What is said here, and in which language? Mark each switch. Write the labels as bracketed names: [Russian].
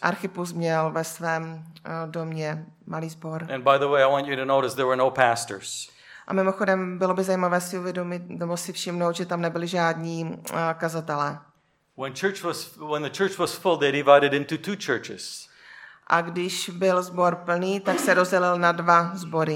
[Czech] Archippus měl ve svém domě malý sbor. [English] And by the way, I want you to notice there were no pastors. [Czech] A mimochodem, bylo by zajímavé si uvědomit, nebo si všimnout, že tam nebyli žádní kazatelé. [English] When the church was full, they divided into two churches. [Czech] A když byl zbor plný, tak se rozdělil na dva zbory.